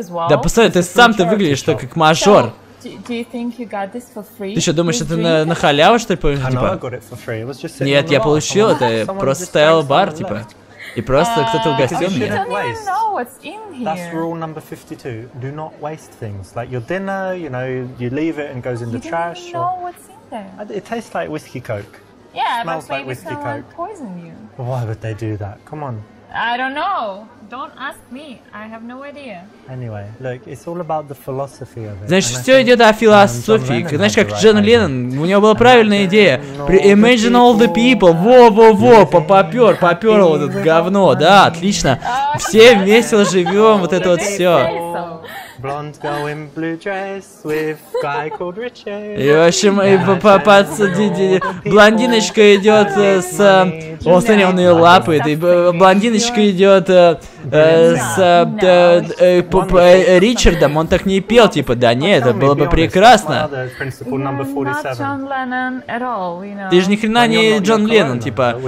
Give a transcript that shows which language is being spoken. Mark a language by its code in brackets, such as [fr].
[ru] Да, посмотри, ты сам-то выглядишь только как мажор. Ты что, думаешь, это на халяву, что ли, помнишь, типа? Нет, я получил это, просто стоял бар, типа. И просто кто-то угостил меня. [en] That's rule number 52. Do not waste things. Like your dinner, you know, you leave it and goes in the trash. You don't know what's in there. It tastes like whiskey coke. Yeah, but maybe like whiskey coke. Poison you. Why would they do that? Come on. I don't know. Don't ask me. I have no idea. Anyway, look, it's all about the philosophy of it. [ru] Знаешь, все идет о философии. Знаешь, как Джон Леннон, у него была правильная идея. [en] Imagine all the people. [ru] Во-во-во, попер вот это говно. Да, отлично. Все весело живем, вот это вот все. [en] Blonde girl in blue dress with guy called Richard. [ru] И в общем, и блондиночка идет с... О, смотри, он ее лапает. И блондиночка идет с Ричардом. Он так не пел, типа, да нет, это было бы прекрасно. Ты же ни хрена не Джон Леннон, типа.